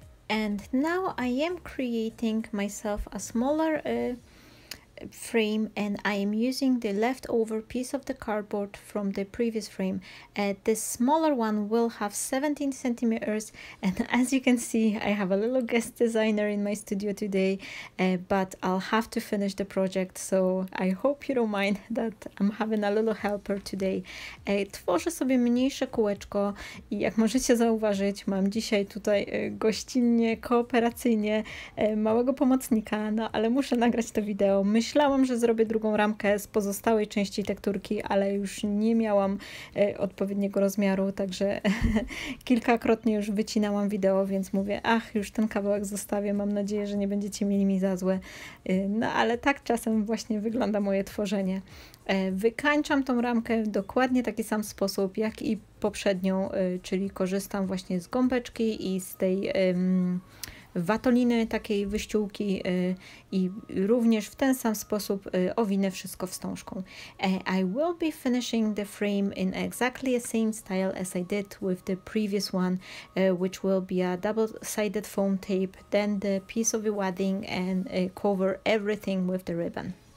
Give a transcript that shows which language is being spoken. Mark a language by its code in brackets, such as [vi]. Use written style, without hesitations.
[en] And now I am creating myself a smaller frame, and I am using the leftover piece of the cardboard from the previous frame. This smaller one will have 17 centimeters, and as you can see, I have a little guest designer in my studio today, but I'll have to finish the project, so I hope you don't mind that I'm having a little helper today. [pl] Tworzę sobie mniejsze kółeczko i jak możecie zauważyć, mam dzisiaj tutaj gościnnie, kooperacyjnie małego pomocnika, no ale muszę nagrać to wideo. Myślałam, że zrobię drugą ramkę z pozostałej części tekturki, ale już nie miałam odpowiedniego rozmiaru, także kilkakrotnie już wycinałam wideo, więc mówię, ach, już ten kawałek zostawię, mam nadzieję, że nie będziecie mieli mi za złe. No ale tak czasem właśnie wygląda moje tworzenie. Wykańczam tą ramkę w dokładnie taki sam sposób, jak i poprzednią, czyli korzystam właśnie z gąbeczki i z tej watoliny takiej wyściółki i również w ten sam sposób owinę wszystko wstążką. [en] I will be finishing the frame in exactly the same style as I did with the previous one, which will be a double-sided foam tape, then the piece of the wadding, and cover everything with the ribbon.